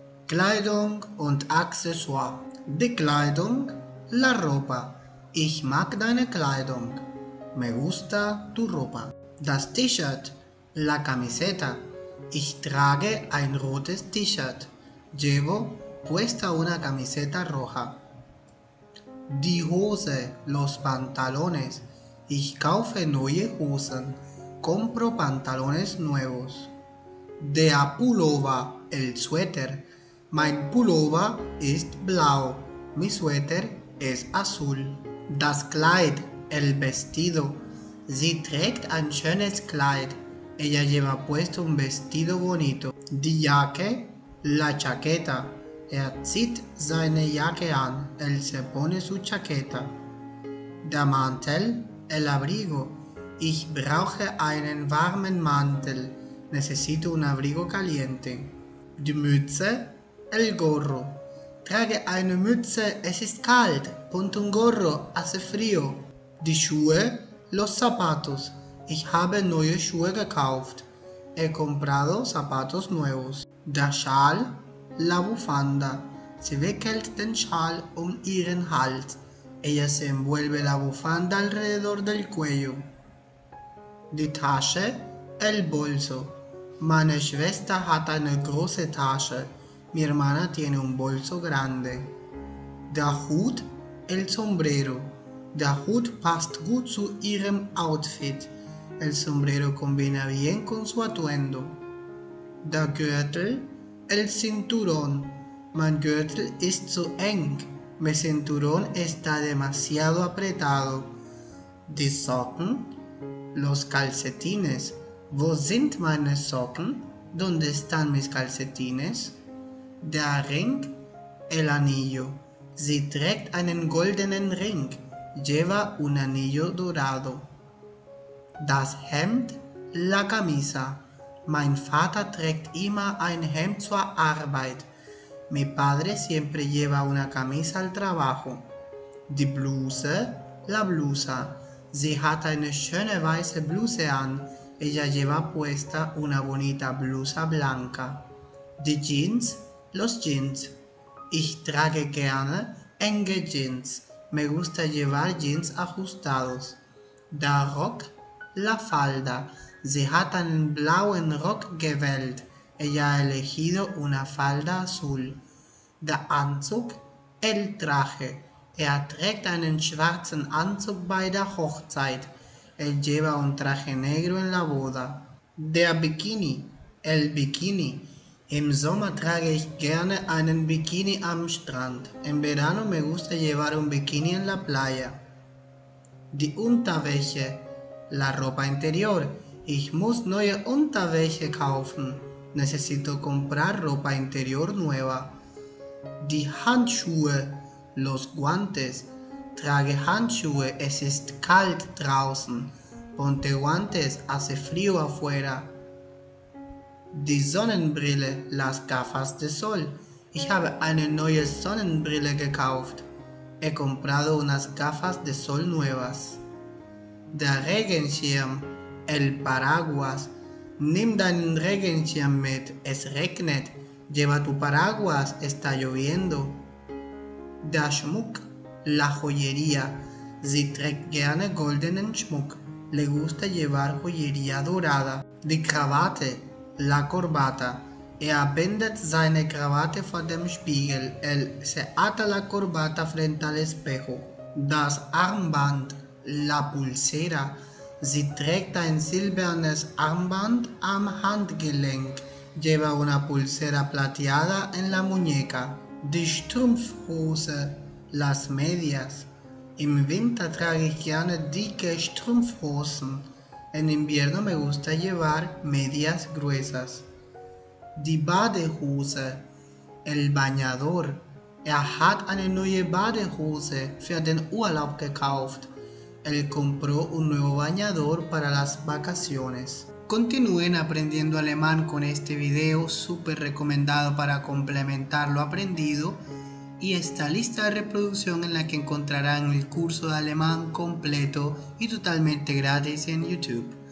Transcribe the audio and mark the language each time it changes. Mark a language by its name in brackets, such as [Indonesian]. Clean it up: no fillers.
[German] Kleidung und Accessoire. Bekleidung, la ropa. Ich mag deine Kleidung. [Spanish] Me gusta tu ropa. Das T-Shirt, la camiseta. [German] Ich trage ein rotes T-Shirt. [Spanish] Llevo puesta una camiseta roja. Die Hose, los pantalones. [German] Ich kaufe neue Hosen. [Spanish] Compro pantalones nuevos. [German] Der Pullover, el suéter. Mein Pullover ist blau. [Spanish] Mi suéter es azul. Das Kleid, el vestido. [German] Sie trägt ein schönes Kleid. [Spanish] Ella lleva puesto un vestido bonito. [German] Die Jacke, la chaqueta. Zieht seine Jacke an. [Spanish] Se pone su chaqueta. Der Mantel, el abrigo. [German] Ich brauche einen warmen Mantel. [Spanish] Necesito un abrigo caliente. [German] Die Mütze, el gorro. Trage eine Mütze, es ist kalt. [Spanish] Ponte un gorro, hace frío. [German] Die Schuhe, los zapatos. Ich habe neue Schuhe gekauft. [Spanish] He comprado zapatos nuevos. [German] Der Schal, la bufanda. Sie wickelt den Schal um ihren Hals. [Spanish] Ella se envuelve la bufanda alrededor del cuello. [German] Die Tasche, el bolso. Meine Schwester hat eine große Tasche. [Spanish] Mi hermana tiene un bolso grande. [German] Der Hut, el sombrero. Der Hut passt gut zu ihrem Outfit. [Spanish] El sombrero combina bien con su atuendo. Der Gürtel, el cinturón. [German] Mein Gürtel ist zu eng. [Spanish] Mi cinturón está demasiado apretado. [German] Die Socken, los calcetines. Wo sind meine Socken? [Spanish] Donde están mis calcetines? [German] Der Ring, el anillo. Sie trägt einen goldenen Ring. [Spanish] Lleva un anillo dorado. [German] Das Hemd, la camisa. Mein Vater trägt immer ein Hemd zur Arbeit. [Spanish] Mi padre siempre lleva una camisa al trabajo. [German] Die Bluse, la blusa. Sie hat eine schöne weiße Bluse an. [Spanish] Ella lleva puesta una bonita blusa blanca. [German] Die Jeans, los Jeans. Ich trage gerne enge Jeans. [Spanish] Me gusta llevar Jeans ajustados. [German] Der Rock, la falda. Sie hat einen blauen Rock gewählt. [Spanish] Ella ha elegido una falda azul. [German] Der Anzug, el traje. Trägt einen schwarzen Anzug bei der Hochzeit. [Spanish] Lleva un traje negro en la boda. [German] Der Bikini, el bikini. Im Sommer trage ich gerne einen Bikini am Strand. [Spanish] En verano me gusta llevar un bikini en la playa. [German] Die Unterwäsche, la ropa interior. Ich muss neue Unterwäsche kaufen. [Spanish] Necesito comprar ropa interior nueva. [German] Die Handschuhe, los guantes. Trage Handschuhe, es ist kalt draußen. [Spanish] Ponte guantes, hace frío afuera. [German] Die Sonnenbrille, las gafas de sol. Ich habe eine neue Sonnenbrille gekauft. [Spanish] He comprado unas gafas de sol nuevas. [German] Der Regenschirm, el paraguas. Nimm deinen Regenschirm mit, es regnet. [Spanish] Lleva tu paraguas, está lloviendo. [German] Der Schmuck, la joyería. Sie trägt gerne goldenen Schmuck. [Spanish] Le gusta llevar joyería dorada. [German] Die Krawatte, la corbata. Bindet seine Krawatte vor dem Spiegel. [Spanish] Se ata la corbata frente al espejo. [German] Das Armband, la pulsera. Sie trägt ein silbernes Armband am Handgelenk. [Spanish] Lleva una pulsera plateada en la muñeca. [German] Die Strumpfhose, las medias. Im Winter trage ich gerne dicke Strumpfhosen. [Spanish] En invierno me gusta llevar medias gruesas. [German] Die Badehose, el bañador. Hat eine neue Badehose für den Urlaub gekauft. [Spanish] Compró un nuevo bañador para las vacaciones. Continúen aprendiendo alemán con este video, súper recomendado para complementar lo aprendido. Y esta lista de reproducción en la que encontrarán el curso de alemán completo y totalmente gratis en YouTube. [German] Danke und abonniert meinen Kanal.